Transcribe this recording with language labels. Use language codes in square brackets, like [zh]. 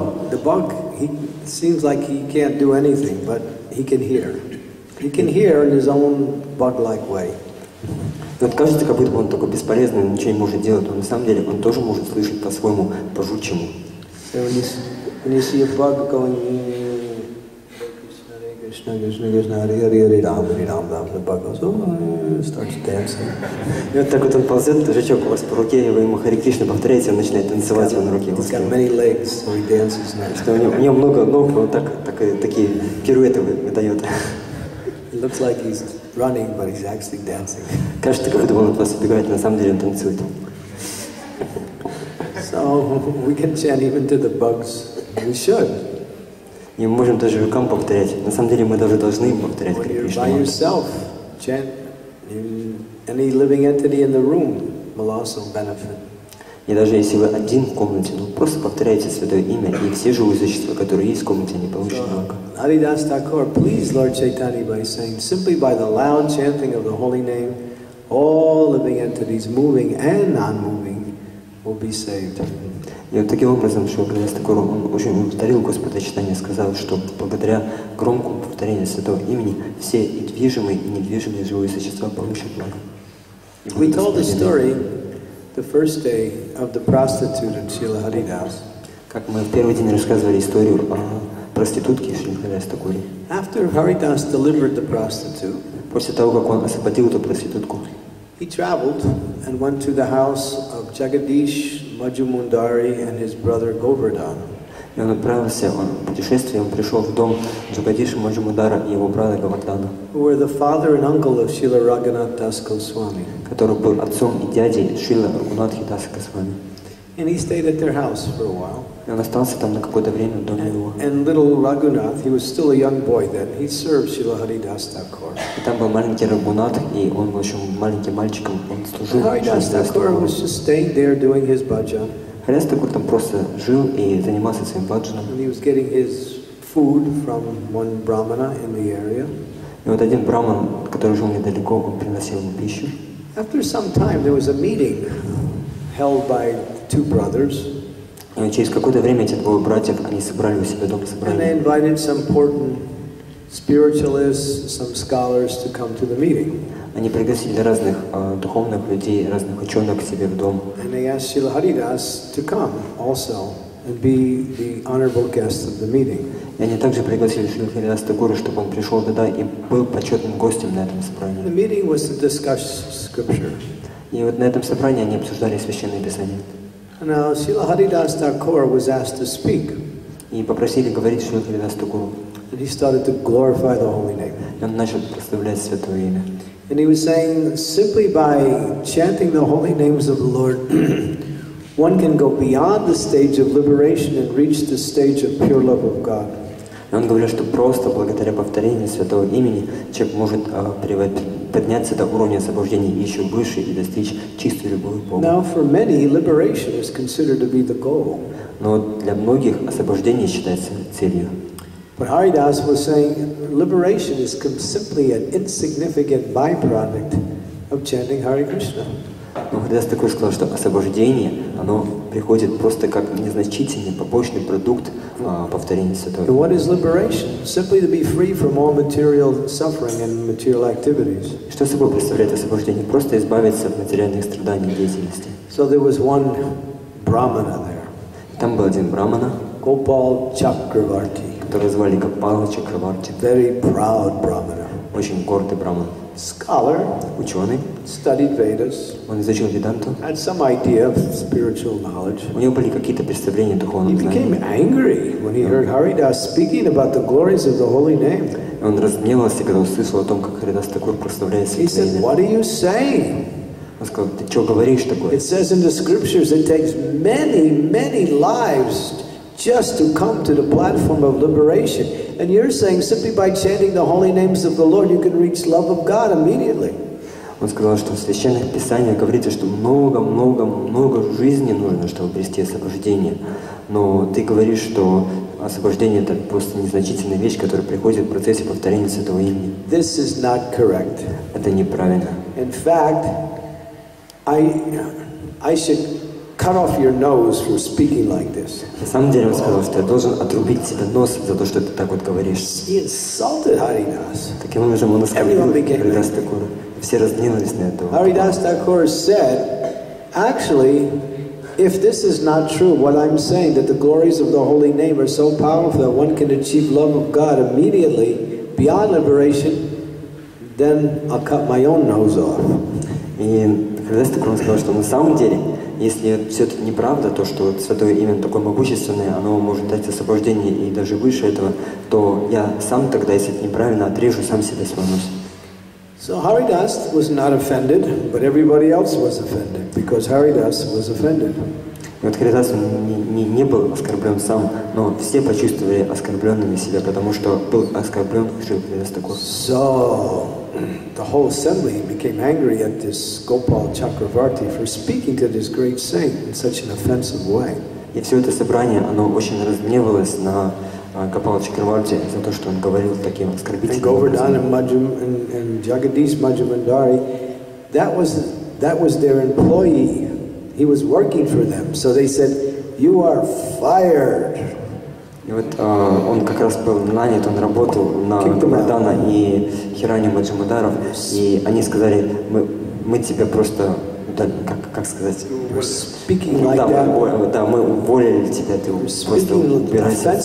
[en] The bug, he seems like he can't do anything, but he can hear. He can hear in his own bug-like way. [ru] Вот кажется, как будто бы он такой бесполезный, ничего не может делать, но на самом деле он тоже может слышать по-своему, по-жучьему. [en] So when you see a bug going, Hare Krishna, Hare Krishna, Krishna, Krishna, Krishna, Hare Hare, Hare Rama, Hare Rama, Rama, Rama, Rama, Rama, Rama, starts dancing. [ru] И вот так вот он ползет, жучок у вас по руке, и вы ему Харе Кришна повторяете, он начинает танцевать его на руке. [en] He's got many legs, so he dances now. [ru] У него много ног, он такие пируэты выдает. [en] It looks like he's running, but he's actually dancing. [ru] Кажется, как будто он от вас убегает, на самом деле он танцует. [en] So we can chant even to the bugs. We should. [ru] И мы можем даже жукам повторять. На самом деле мы даже должны им повторять Кришна [en] мантру. Yourself, chant any living entity in the room will also benefit. [ru] И даже если вы один в комнате, просто повторяйте святое имя, и все живые существа, которые есть в комнате, они получат много. [en] Haridas Thakur, please, Lord Chaitanya, by saying, simply by the loud chanting of the holy name, all living entities, moving and non-moving, will be saved. [ru] И вот таким образом, что Господь Такур, он очень повторил Господа Читания, сказал, что благодаря громкому повторению Святого Имени все и движимые, и недвижимые живые существа получат благо. [en] We told the story the first day of the prostitute in Srila Haridas. [ru] Как мы в первый день рассказывали историю о проститутке Шрила Харидаса Такури. [en] After Haridas delivered the prostitute, [ru] после того, как он освободил эту проститутку, [en] he traveled and went to the house of Jagadish, Majumundari, and his brother Govardhan. [ru] И он отправился, он путешествие, он пришел в дом Джагадиша Маджумудара и его брата Говардхана. [en] Who were the father and uncle of Srila Raghunath Das Goswami. [ru] Который был отцом и дядей Шрила Рагунатхи Даса Госвами. [en] And he stayed at their house for a while. [ru] И он остался там на какое-то время в доме его. [en] And little Raghunath, he was still a young boy then, he served Srila Haridas Thakur. [ru] И там был маленький Рагунат, и он был еще маленьким мальчиком, он служил Шрила Харидас Thakur. [en] Haridas Thakur was just staying there doing his bhajan. [ru] Харидас Thakur там просто жил и занимался своим бхаджаном. [en] And he was getting his food from one brahmana in the area. [ru] И вот один брахман, который жил недалеко, он приносил ему пищу. [en] After some time, there was a meeting held by two brothers. [ru] И через какое-то время эти двое братьев, они собрали у себя дом собрания. [en] And they invited some important spiritualists, some scholars to come to the meeting. [ru] Они пригласили разных духовных людей, разных ученых к себе в дом. [en] And they asked Srila Haridas to come also and be the honorable guest of the meeting. [ru] И они также пригласили Шрилу Харидас Такуру, чтобы он пришел туда и был почетным гостем на этом собрании. [en] The meeting was to discuss scripture. [ru] И вот на этом собрании они обсуждали священные писания. [en] Now Srila Haridas Thakur was asked to speak. [ru] И попросили говорить Шрилу Харидас Такуру. [en] And he started to glorify the holy name. [ru] И он начал прославлять святое имя. [en] And he was saying, simply by chanting the holy names of the Lord, one can go beyond the stage of liberation and reach the stage of pure love of God. [ru] И он говорил, что просто благодаря повторению святого имени человек может подняться до уровня освобождения еще выше и достичь чистой любви к Богу. [en] Now for many, liberation is considered to be the goal. [ru] Но для многих освобождение считается целью. [en] But Haridas was saying liberation is simply an insignificant byproduct of chanting Hare Krishna. [ru] Но Харидас такой сказал, что освобождение, оно приходит просто как незначительный побочный продукт повторения святого. [en] What is liberation? Simply to be free from all material suffering and material activities. [ru] Что собой представляет освобождение? Просто избавиться от материальных страданий и деятельности. [en] So there was one brahmana there. [ru] Там был один брахмана. [en] Gopal Chakravarti. [ru] Которого звали Гопал Чакраварти. [en] Very proud brahmana. [ru] Очень гордый брахман. [en] Scholar, [ru] ученый, [en] studied Vedas. [ru] Он изучил Веданту. [en] Had some idea of spiritual knowledge. [ru] У него были какие-то представления о духовном [en] знании. He became angry when he heard Haridas speaking about the glories of the holy name. [ru] Он разгневался, когда услышал о том, как Харидас Такур прославляет святое имя. [en] He said, "What are you saying?" [ru] Он сказал, "Ты что говоришь такое?" [en] It says in the scriptures, it takes many, many lives just to come to the platform of liberation. And you're saying simply by chanting the holy names of the Lord you can reach love of God immediately. [ru] Он сказал, что в священных писаниях говорится, что много жизни нужно, чтобы обрести освобождение. Но ты говоришь, что освобождение это просто незначительная вещь, которая приходит в процессе повторения святого имени. [en] This is not correct. [ru] Это неправильно. [en] In fact, I should cut off your nose for speaking like this. [ru] На самом деле, он сказал, что я должен отрубить себе нос за то, что ты так вот говоришь. [en] He insulted Haridas. [ru] Таким образом, он оскорбил Харидас Такур. Все разгневались на этого. [en] Haridas Thakur said, actually, if this is not true, what I'm saying, that the glories of the holy name are so powerful that one can achieve love of God immediately, beyond liberation, then I'll cut my own nose off. [ru] И Христос так сказал, что на самом деле, если все это неправда, то что Святое Имя такое могущественное, оно может дать освобождение и даже выше этого, то я сам тогда, если это неправильно, отрежу сам себе свой нос. [en] So Haridas was not offended, but everybody else was offended, because Haridas was offended. [ru] Вот Харидас не был оскорблен сам, но все почувствовали оскорбленными себя, потому что был оскорблен Харидас такой. [en] So the whole assembly became angry at this Gopal Chakravarti for speaking to this great saint in such an offensive way. [ru] И все это собрание, оно очень разгневалось на Гопала Чакраварти за то, что он говорил таким оскорбительным образом. [en] And Govardhan and Jagadish Majumdari, that was their employee. He was working for them, so they said, "You are fired." [ru] И вот он как раз был нанят, он работал на Гопардана и Хирани Маджамадаров, и они сказали, мы тебя просто, как сказать, [en] speaking like that. [ru] Да, мы уволили тебя, ты просто убирайся.